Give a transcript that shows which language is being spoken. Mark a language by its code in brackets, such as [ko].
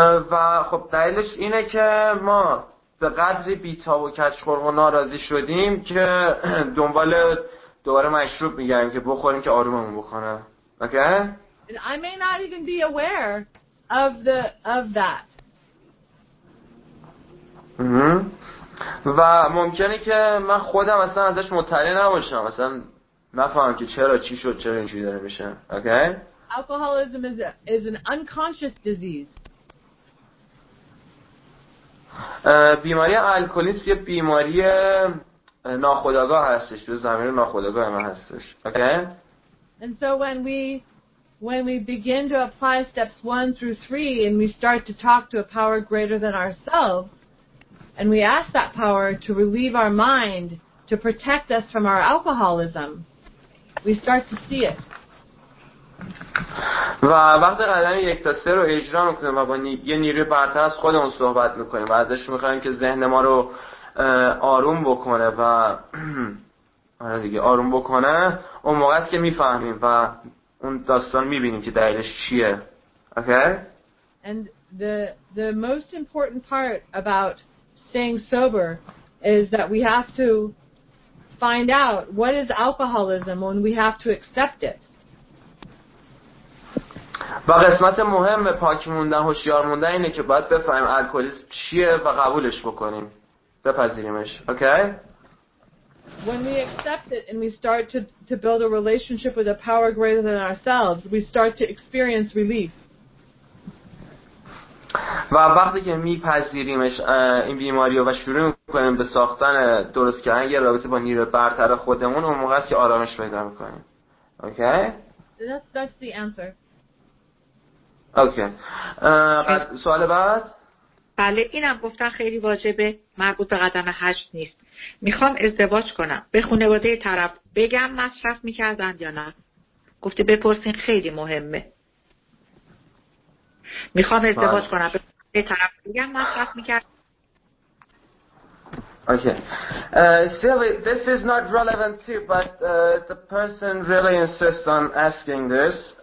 [fa] و خب دلیلش اینه که ما به قدری بیتاب و کچخور و ناراضی شدیم که دنبال دوباره مشروب میگیم که بخوریم که آروممون بکنه. [en] Okay? And I may not even be aware of the of that. Mm-hmm. [fa] و ممکنه که من خودم اصلا ازش مطلع نباشم اصلا نفهمم که چرا چی شد چرا اینجوری داره میشه اوکی [en] alcoholism is an unconscious disease [fa] بیماری الکلیسم یه بیماری ناخودآگاه هستش به زمینه ناخودآگاه من هستش اوکی [en] and so when we begin to apply steps 1 through 3 and we start to talk to a power greater than ourselves And we ask that power to relieve our mind, to protect us from our alcoholism. We start to see it. [fa] و وقتی قدم یک تا سه رو اجرا میکنیم و با یه نیروی برتر از خودمون صحبت میکنیم و ازش میخوایم که ذهن ما رو آروم بکنه و آره دیگه آروم بکنه اون موقع است که میفهمیم و اون داستان میبینیم که دلیلش چیه. [en] Okay? And the most important part about staying sober is that we have to find out what is alcoholism when we have to accept it. [fa] و قسمت مهم پاک موندن هوشیار موندن اینه که باید بفهمیم الکلیسم چیه و قبولش بکنیم. بپذیریمش. [en] Okay. When we accept it and we start to build a relationship with a power greater than ourselves, we start to experience relief. [fa] و وقتی که میپذیریمش این بیماریو و شروع میکنیم به ساختن درست کردن یه رابطه با نیروی برتر خودمون، اون موقع است که آرامش پیدا میکنیم. [en] Okay. That's the answer. Okay. [fa] سوال بعد. بله، اینم گفتن خیلی واجبه، مربوط به قدم 8 نیست. میخوام ازدواج کنم، به خانواده طرف بگم مصرف میکردن یا نه؟ گفته بپرسین، خیلی مهمه. میخوام ازدواج کنم، به خانواده طرف بگم مصرف میکردن. [en] Okay. Silly, this is not relevant too, but the person really insists on asking this.